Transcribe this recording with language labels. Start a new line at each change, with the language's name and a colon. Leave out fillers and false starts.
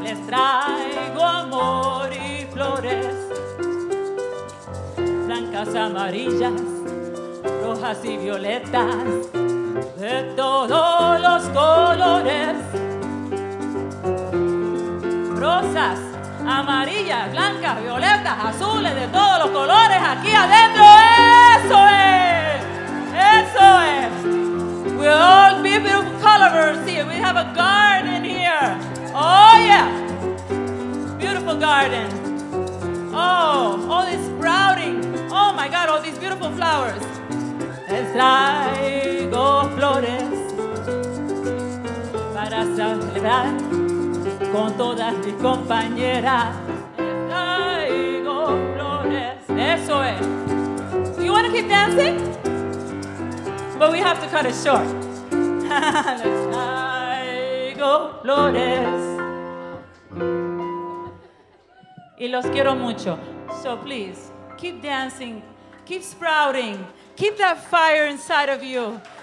Spanish: Les traigo amor y flores, blancas, amarillas, rojas y violetas, de todos los colores, rosas, amarillas, blancas, violetas, azules, de todos los colores aquí adentro. ¡Eso es! ¡Eso es!
English: We all be beautiful colors here. We have a garden here. Oh, yeah. Beautiful garden. Oh, all this sprouting. Oh, my God, all these beautiful flowers.
Spanish: Les traigo flores para celebrar con todas mis compañeras. Les traigo flores. Eso es.
English: You want to keep dancing? But we have to cut it short.
Spanish: Les traigo flores. Y los quiero mucho.
English: So please, keep dancing. Keep sprouting. Keep that fire inside of you.